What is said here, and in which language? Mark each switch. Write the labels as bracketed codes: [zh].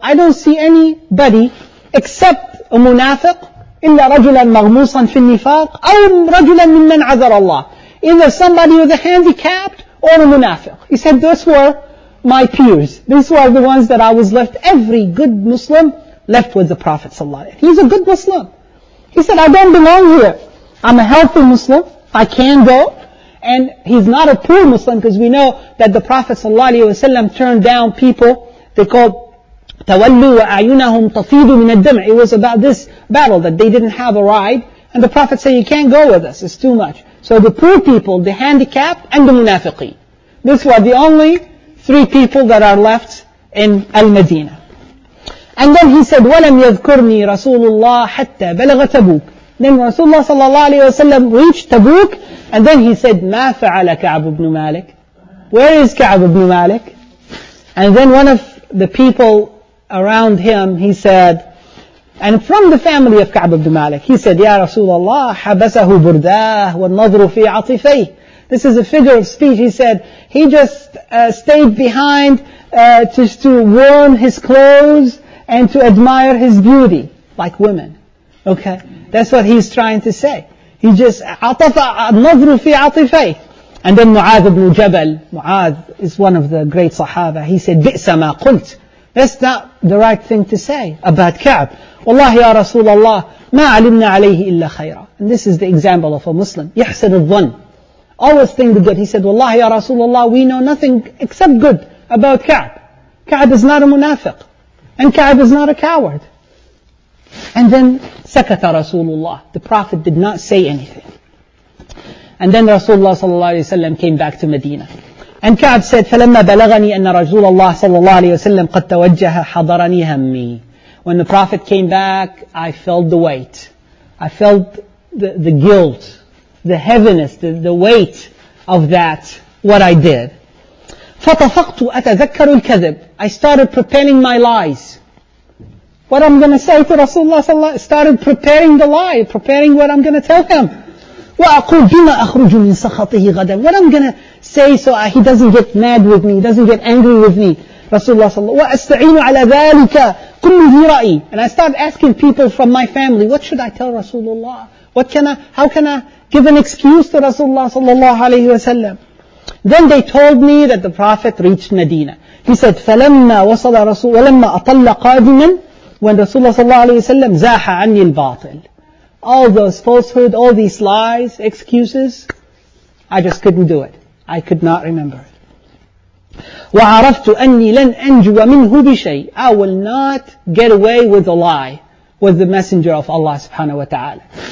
[en] I don't see anybody except a munafiq, [ar] إلا رجلا مغموصا في النفاق أو رجلا ممن عذر الله. [en] Either somebody with a handicapped or a munafiq. He said, those were my peers. These were the ones that I was left. Every good Muslim left with the Prophet sallallahu alaihi wasallam. He's a good Muslim. He said, I don't belong here. I'm a healthy Muslim. I can go. And he's not a poor Muslim, because we know that the Prophet ﷺ turned down people. They called [ar] تَوَلُّوا وَأَعْيُنَهُمْ تَفِيدُ مِنَ الدَّمْعِ. [en] It was about this battle that they didn't have a ride. And the Prophet said, you can't go with us. It's too much. So the poor people, the handicapped, and the munafiqi. These were the only three people that are left in Al-Madinah. And then he said, [ar] وَلَمْ يَذْكُرْنِي رَسُولُ اللَّهِ حَتَّى بَلَغَ تَبُوكَ. [en] Then Rasulullah sallallahu alayhi wa sallam reached Tabuk, and then he said, [ar] مَا فَعَلَ كَعْبُ بْنُ مَالِكَ. [en] Where is كَعْبُ بْنُ مَالِكَ? And then one of the people around him, he said, and from the family of كَعْبُ بْنُ مَالِكَ, he said, [ar] يَا رَسُولَ اللَّهِ حَبَسَهُ بُرْدَاهُ وَالنَّظْرُ فِي عَطِفَيْهِ. [en] This is a figure of speech. He said, he just stayed behind just to warm his clothes and to admire his beauty, like women. Okay, that's what he's trying to say. He just [ar] عَطَفَ النَّظْرُ فِي عَطِفَيْهِ. [en] And then Mu'adh ibn Jabal, Mu'adh is one of the great Sahaba, he said, [ar] بِئْسَ مَا قُلْتِ. [en] That's not the right thing to say about Ka'b. [ar] وَاللَّهِ يَا رَسُولَ اللَّهِ مَا عَلِمْنَا عَلَيْهِ إِلَّا خَيْرًا. [en] And this is the example of a Muslim. [ar] يَحْسَنُ الظَّنْ. [en] Always think the good. He said, [ar] وَاللَّهِ يَا رَسُولَ اللَّهِ, [en] we know nothing except good about Ka'b. Ka'b is not a munafiq. And Ka'b is not a coward. And then [ar] سكت رسول الله. [en] The Prophet did not say anything. And then Rasulullah sallallahu alayhi wa sallam came back to Medina. And Ka'b said, [ar] فَلَمَّا بَلَغَنِي أَنَّ رَسُولَ اللَّهِ صَلَّى اللَّهِ عَلَيْهِ وَسَلَّمْ قَدْ تَوَجَّهَ حَضَرَنِي هَمِّي. [en] When the Prophet came back, I felt the weight. I felt the guilt, the heaviness, the weight of that, what I did. [ar] فَطَفَقْتُ أَتَذَكَّرُ الْكَذِبِ. [en] I started preparing my lies. What I'm going to say to Rasulullah sallallahu alayhi wa sallam, started preparing the lie, preparing what I'm going to tell him. [ar] وَأَقُولُ بِمَا أَخْرُجُ مِنْ سَخَطِهِ غَدًا. [en] What I'm going to say so he doesn't get mad with me, doesn't get angry with me. [ar] Rasulullah sallallahu alayhi wa sallam, وَأَسْتَعِينُ عَلَى ذَلِكَ كُلُّ ذِي رَأِي. [en] And I start asking people from my family, what should I tell Rasulullah? What can I, how can I give an excuse to Rasulullah sallallahu alayhi wa sallam? Then they told me that the Prophet reached Medina. He said, [ar] فَلَمَّا وَصَلَ رَسُولُ وَلَمَّا أَطَلَّ قَادِمًا. [en] When Rasulullah sallallahu alayhi wa sallam, [ar] زَاحَ عَنِّي الْبَاطِلِ. [en] All those falsehood, all these lies, excuses, I just couldn't do it. I could not remember it. [ar] وَعَرَفْتُ أَنِّي لَنْ أَنْجُوَ مِنْهُ بِشَيْءٍ. [en] I will not get away with a lie with the messenger of Allah subhanahu wa ta'ala.